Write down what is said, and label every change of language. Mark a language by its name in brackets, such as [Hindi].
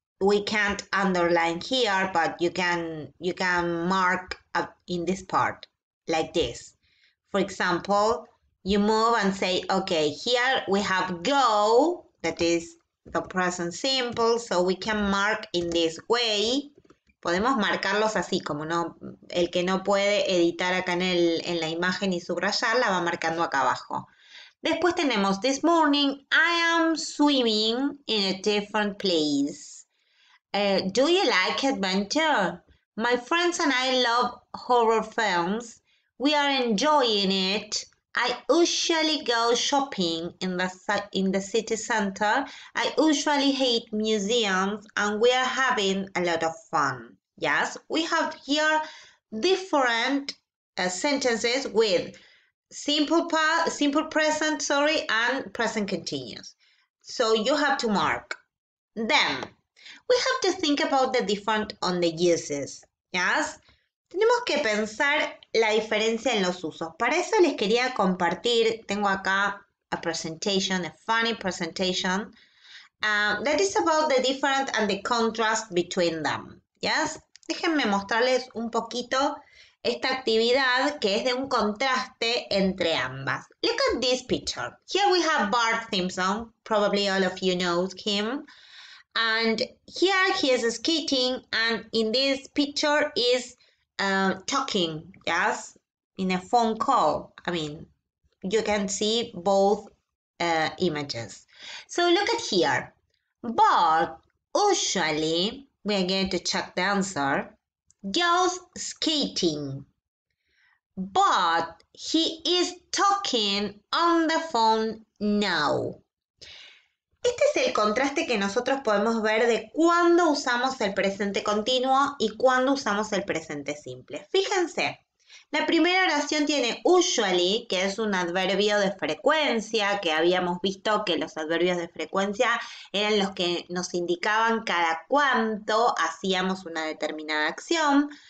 [English] We can't underline here, but you can mark up in this part like this. For example, you move and say, okay, here we have go, that is the present simple, so we can mark in this way. [Spanish] Podemos marcarlos así, como no, el que no puede editar acá en la imagen y subrayar, la va marcando acá abajo. Después tenemos, [English] this morning I am swimming in a different place. Do you like adventure? My friends and I love horror films. We are enjoying it. I usually go shopping in the city center. I usually hate museums and we are having a lot of fun. Yes, we have here different sentences with simple present and present continuous. So you have to mark them. We have to think about the different on the uses. [Spanish] Yes, tenemos que pensar la diferencia en los usos. Para eso les quería compartir. Tengo acá [English] a presentation, a funny presentation that is about the different and the contrast between them. Yes. [Spanish] Déjenme mostrarles un poquito esta actividad que es de un contraste entre ambas. [English] Look at this picture. Here we have Bart Simpson. Probably all of you know him. And here he is skating and in this picture is talking, yes? In a phone call. I mean, you can see both images. So look at here. Bart usually... We are going to check the answer. Goes skating. But he is talking on the phone now. [Spanish] Este es el contraste que nosotros podemos ver de cuándo usamos el presente continuo y cuándo usamos el presente simple. Fíjense, la primera oración tiene usually, que es un adverbio de frecuencia, que habíamos visto que los adverbios de frecuencia eran los que nos indicaban cada cuánto hacíamos una determinada acción.